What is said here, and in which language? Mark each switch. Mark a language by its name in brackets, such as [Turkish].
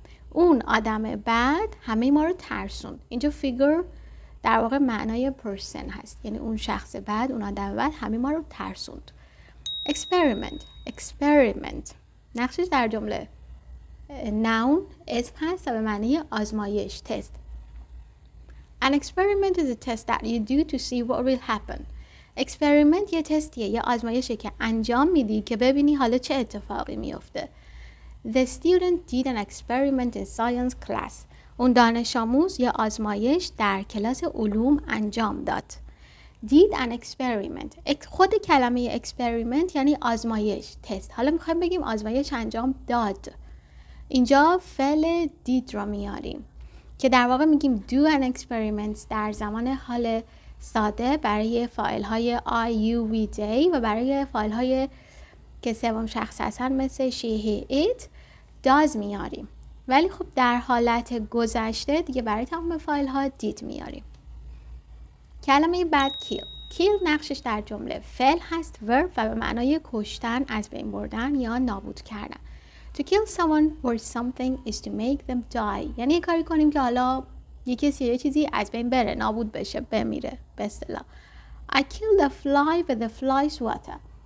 [Persian] اون آدم بد همه ما رو ترسوند. اینجا figure در واقع معنای person هست. یعنی اون شخص بد، اون آدم بد همه ما رو ترسوند. [English] Experiment. Experiment. [Persian] نقشش در جمله noun، اسم هست و به معنی آزمایش، تست. [English] An experiment is a test that you do to see what will happen. [Persian] Experiment یه تستیه، یه آزمایشه که انجام میدی که ببینی حالا چه اتفاقی میفته. [English] The student did an experiment in science class. [Persian] اون دانش آموز یه آزمایش در کلاس علوم انجام داد. [English] Did an experiment. [Persian] خود کلمه experiment یعنی آزمایش، تست. حالا میخوایم بگیم آزمایش انجام داد. اینجا فعل did رو میاریم که در واقع میگیم [English] do an experiment [Persian] در زمان حال ساده برای فایل های I, you, we, they و برای فایل های که سوم شخص هستن مثل she, he, it does میاریم. ولی خب در حالت گذشته دیگه برای تمام فایل ها did میاریم. کلمه بعد kill. kill نقشش در جمله فعل هست، verb، و به معنای کشتن، از بین بردن یا نابود کردن. [English] To kill someone or something is to make them die. [Persian] یعنی یک کاری کنیم که حالا یک کسی یه چیزی از بین بره، نابود بشه، بمیره، به اصطلاح. [English] I killed a fly with a fly's water.